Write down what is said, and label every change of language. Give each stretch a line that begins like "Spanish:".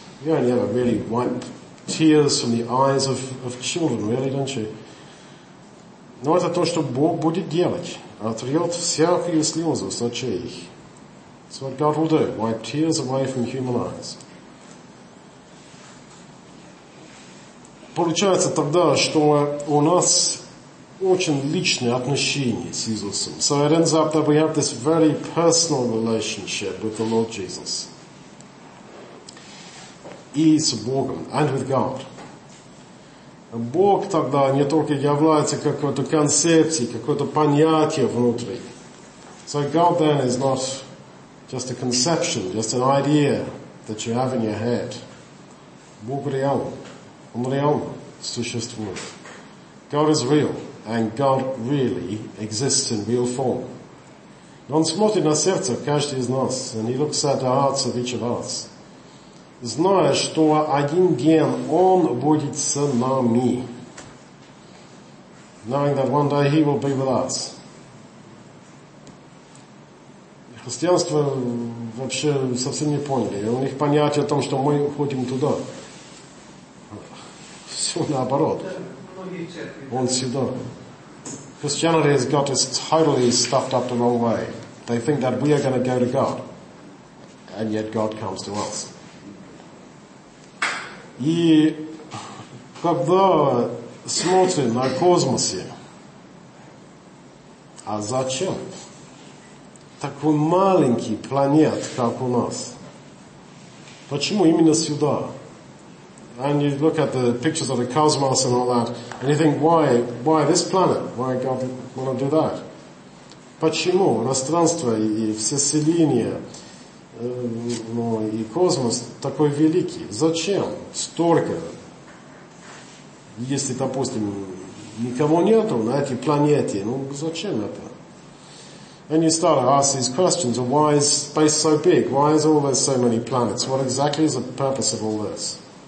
English: You only ever really wipe tears from the eyes of children, really, don't you?
Russian: Но это то, что Бог будет делать. Отрет всякие слезы с очей.
English: That's what God will do. Wipe tears away from human eyes.
Russian: Получается тогда, что у нас очень личные отношения с Иисусом.
English: So it ends up that we have this very personal relationship with the Lord Jesus.
Russian: И с Богом,
English: and with God.
Russian: Бог тогда не только является какой-то концепцией, какое-то понятие внутри.
English: So God then is not just a conception, just an idea that you have in your head.
Russian: Бог реален. Он реально существует.
English: God is real, and God really exists in real form.
Russian: И он смотрит на сердце каждого из нас,
English: and he looks at the hearts of each of us.
Russian: Зная, что один день он будет с нами.
English: Knowing that one day he will be with us.
Russian: Христианство вообще совсем не поняли. У них понятие о том, что мы уходим туда. Все наоборот. Он сюда.
English: Christianity has got us totally stuffed up the wrong way. They think that we are going to go to God. And yet God comes to us.
Russian: И когда смотрим на космосе, а зачем такой маленький планет, как у нас? Почему именно сюда?
English: And you look at the pictures of the cosmos and all that, and you think, why this planet? Why God want to do that?
Russian: Почему пространство и вселенная? Но и космос такой великий. Зачем столько? Если, допустим, никого нету на этой планете, ну зачем это?
English: And you start to ask these questions. Why is space so big? Why is all there so many planets? What exactly is the purpose of all this?